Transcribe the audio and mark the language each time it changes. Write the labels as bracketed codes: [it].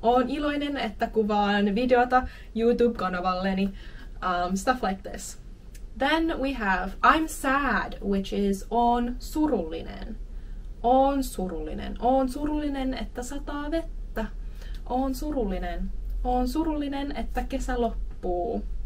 [fi] On iloinen, että kuvaan videota YouTube-kanavalleni. [en] Stuff like this. Then we have I'm sad, which is [fi] on surullinen. On surullinen. On surullinen, että sataa vettä. On surullinen. On surullinen, että kesä loppuu.